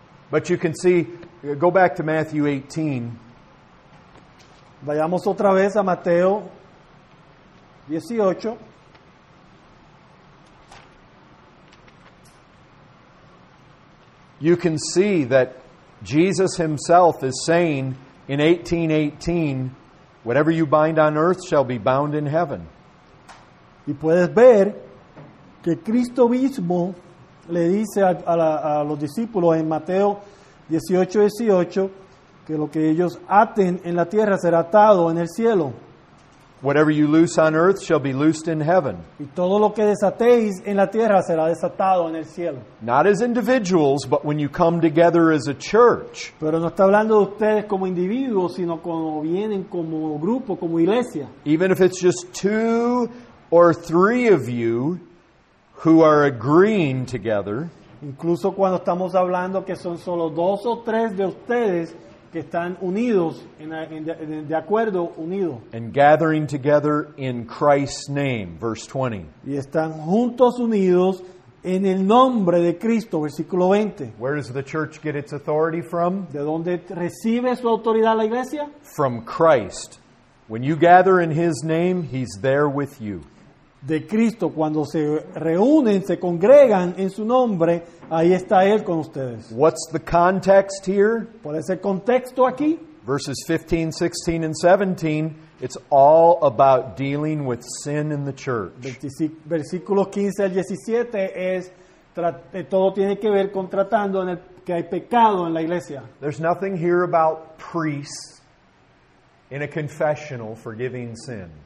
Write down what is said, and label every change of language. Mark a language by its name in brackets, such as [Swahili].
[English] But you can see, go back to Matthew 18. [Spanish] Vayamos otra vez a Mateo 18. [English] You can see that Jesus himself is saying in 18:18, whatever you bind on earth shall be bound in heaven. [Spanish] Y puedes ver que Cristo mismo le dice a los discípulos en Mateo 18:18 que lo que ellos aten en la tierra será atado en el cielo. [English] Whatever you loose on earth shall be loosed in heaven. [Spanish] Y todo lo que desatéis en la tierra será desatado en el cielo. [English] Not as individuals, but when you come together as a church. [Spanish] Pero no está hablando de ustedes como individuos, sino como vienen como grupo, como iglesia. [English] Even if it's just two or three of you who are agreeing together. [Spanish] Incluso cuando estamos hablando que son solo dos o tres de ustedes que están unidos, de acuerdo, unidos. [English] And gathering together in Christ's name, verse 20. [Spanish] Y están juntos unidos en el nombre de Cristo, versículo 20. [English] Where does the church get its authority from? [Spanish] ¿De dónde recibe su autoridad la iglesia? [English] From Christ. When you gather in His name, He's there with you. [Spanish] De Cristo, cuando se reúnen, se congregan en su nombre, ahí está Él con ustedes. [English] What's the context here? [Spanish] ¿Cuál es el contexto aquí? [English] Verses 15, 16, and 17, it's all about dealing with sin in the church. [Spanish] Versículos 15 al 17 es, todo tiene que ver con tratando en el, que hay pecado en la iglesia. [English] There's nothing here about priests in a confessional forgiving sin.